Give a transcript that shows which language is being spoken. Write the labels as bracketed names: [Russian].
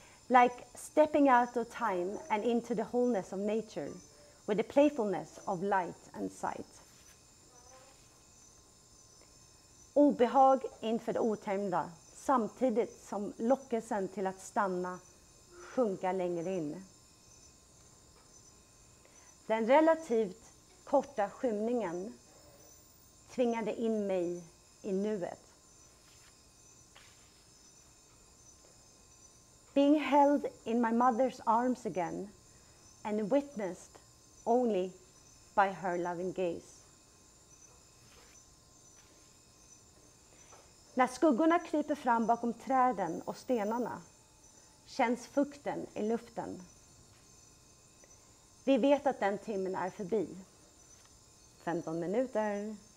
[English] Like stepping out of time and into the wholeness of nature with the playfulness of light and sight. [Swedish] Obehag inför det otämjda, samtidigt som lockelsen till att stanna sjunka längre in. Den relativt korta skymningen tvingade in mig i nuet. [English] Being held in my mother's arms again and witnessed only by her loving gaze. [Swedish] När skuggorna kryper fram bakom träden och stenarna känns fukten i luften. Vi vet att den timmen är förbi. 15 minuter.